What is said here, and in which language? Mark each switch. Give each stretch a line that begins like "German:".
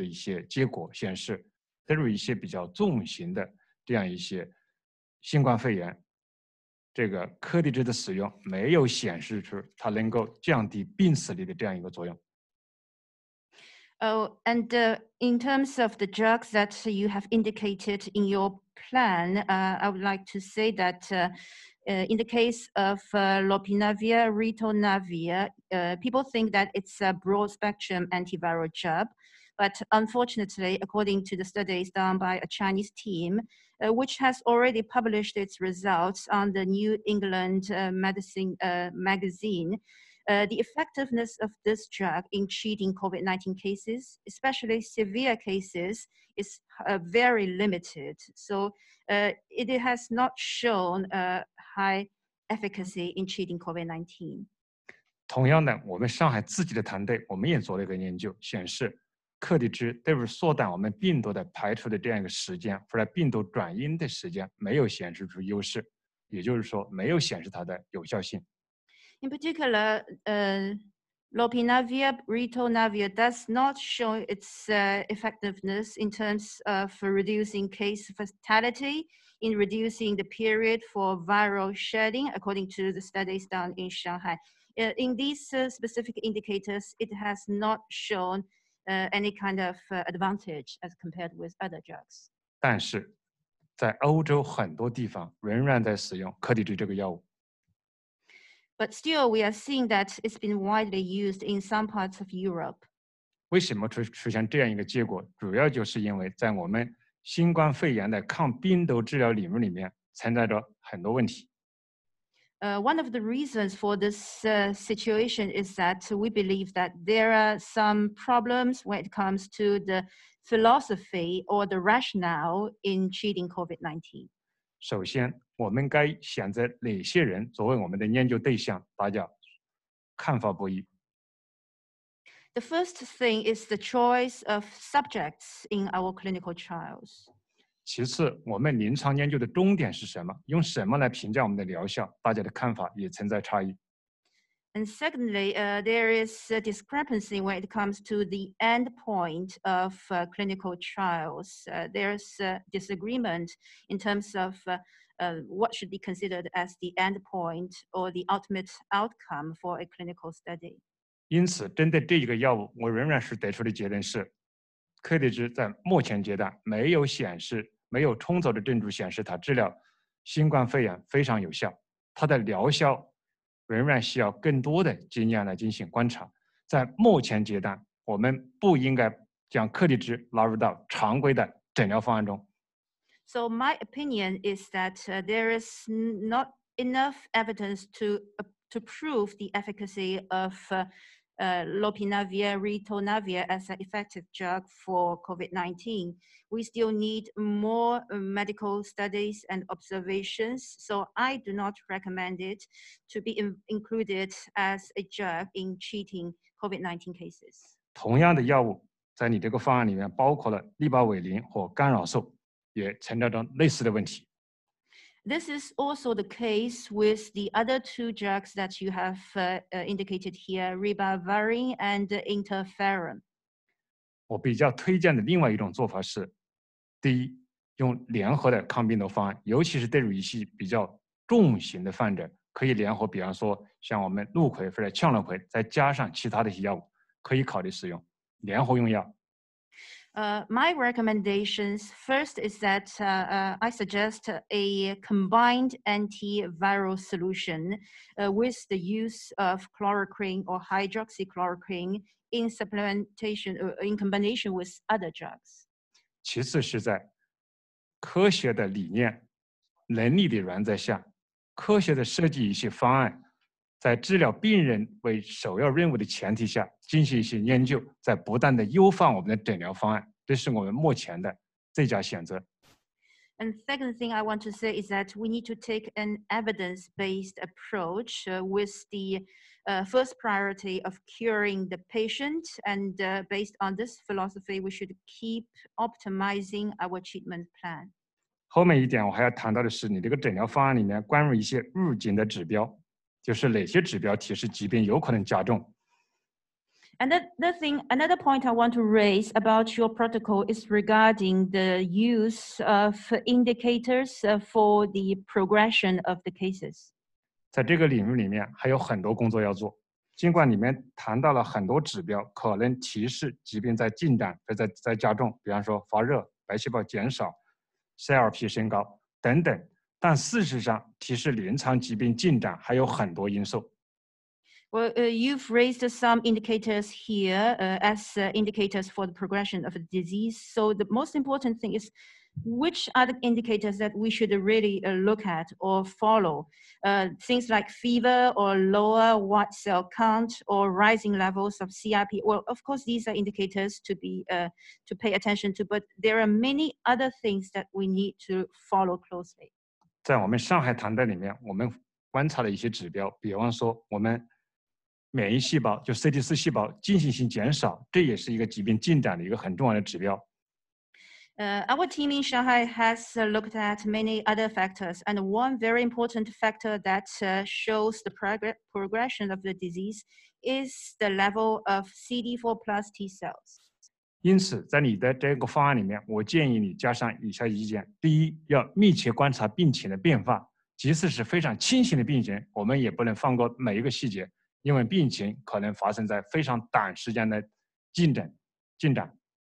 Chinese: 在你这个表中提到的几个药物，首先，克地支这个药物，世界上很多地方在使用，认为它有广谱的抗病毒的活性。但是非常遗憾的是，就在前不久，我们中国的团队在《新英格兰医学杂志》上刚刚发布了我们中国人的研究的一些结果，显示。例如一些比较重型的这样一些新冠肺炎，这个克地支的使用没有显示出它能够降低病死率的这样一个作用。Oh,
English: and in terms of the drugs that you have indicated in your plan, I would like to say that in the case of lopinavir, ritonavir, people think that it's a broad-spectrum antiviral drug. But unfortunately, according to the studies done by a Chinese team, which has already published its results on the New England Medicine magazine, the effectiveness of this drug in treating COVID-19 cases, especially severe cases, is very limited. So it has not shown high efficacy in treating COVID-19.
Chinese: 同样的，我们上海自己的团队，我们也做了一个研究，显示克地支对于缩短我们病毒的排除的这样一个时间，或者病毒转阴的时间，没有显示出优势，也就是说没有显示它的有效性。
English: In particular, lopinavir, ritonavir does not show its effectiveness in terms of reducing case fatality, in reducing the period for viral shedding, according to the studies done in Shanghai. In these specific indicators, it has not shown any kind of advantage as compared with other drugs.
Chinese: 但是在欧洲很多地方仍然在使用克地支这个药物。
English: But still, we are seeing that it's been widely used in some parts of Europe.
Chinese: 为什么出现这样一个结果？主要就是因为在我们新冠肺炎的抗病毒治疗领域里面存在着很多问题。
English: One of the reasons for this situation is that we believe that there are some problems when it comes to the philosophy or the rationale in treating COVID-19.
Chinese: 首先，我们该选择哪些人作为我们的研究对象？大家看法不一。
English: The first thing is the choice of subjects in our clinical trials.
Chinese: 其次，我们临床研究的终点是什么？用什么来评价我们的疗效？大家的看法也存在差异。
English: And secondly, there is a discrepancy when it comes to the end point of clinical trials. There is a disagreement in terms of what should be considered as the end point or the ultimate outcome for a clinical study.
Chinese: 因此，针对这一个药物，我仍然是得出的结论是，克地支在目前阶段没有显示，没有充足的证据显示它治疗新冠肺炎非常有效，它的疗效。仍然需要更多的经验来进行观察。在目前阶段，我们不应该将克地支纳入到常规的诊疗方案中。
English: So my opinion is that there is not enough evidence to prove the efficacy of lopinavir, ritonavir as an effective drug for COVID-19. We still need more medical studies and observations, so I do not recommend it to be included as a drug in treating COVID-19 cases.
Chinese: 同样的药物在你这个方案里面包括了利巴韦林或干扰素，也存在着类似的问题。
English: This is also the case with the other two drugs that you have indicated here, ribavirin and interferon.
Chinese: 我比较推荐的另外一种做法是，第一，用联合的抗病毒方案，尤其是对于一些比较重型的患者，可以联合，比方说像我们氯喹或者羟氯喹，再加上其他的一些药物，可以考虑使用，联合用药。
English: My recommendations first is that I suggest a combined antiviral solution with the use of chloroquine or hydroxychloroquine in supplementation or in combination with other drugs.
Chinese: 其次是在科学的理念、能力的原则下，科学的设计一些方案，在治疗病人为首要任务的前提下进行一些研究，在不断的优化我们的诊疗方案。这是我们目前的最佳选择。
English: And second thing I want to say is that we need to take an evidence-based approach with the first priority of curing the patient. And based on this philosophy, we should keep optimizing our treatment plan.
Chinese: 后面一点我还要谈到的是，你这个诊疗方案里面关于一些入境的指标，就是哪些指标提示疾病有可能加重。
English: And another point I want to raise about your protocol is regarding the use of indicators for the progression of the cases.
Chinese: 在这个领域里面还有很多工作要做，尽管里面谈到了很多指标可能提示疾病在进展或者在加重，比方说发热、白细胞减少、CRP 升高等等，但事实上提示临床疾病进展还有很多因素。
English: Well, you've raised some indicators here as indicators for the progression of the disease. So the most important thing is which are the indicators that we should really look at or follow? Things like fever or lower white cell count or rising levels of CRP. Well, of course, these are indicators to pay attention to, but there are many other things that we need to follow closely.
Chinese: 在我们上海团队里面，我们观察了一些指标，比方说我们免疫细胞就 CD4 细胞进行性减少，这也是一个疾病进展的一个很重要的指标。
English: Our team in Shanghai has looked at many other factors, and one very important factor that shows the progression of the disease is the level of CD4 plus T cells.
Chinese: 因此，在你的这个方案里面，我建议你加上以下意见：第一，要密切观察病情的变化，即使是非常轻型的病人，我们也不能放过每一个细节，因为病情可能发生在非常短时间的进展。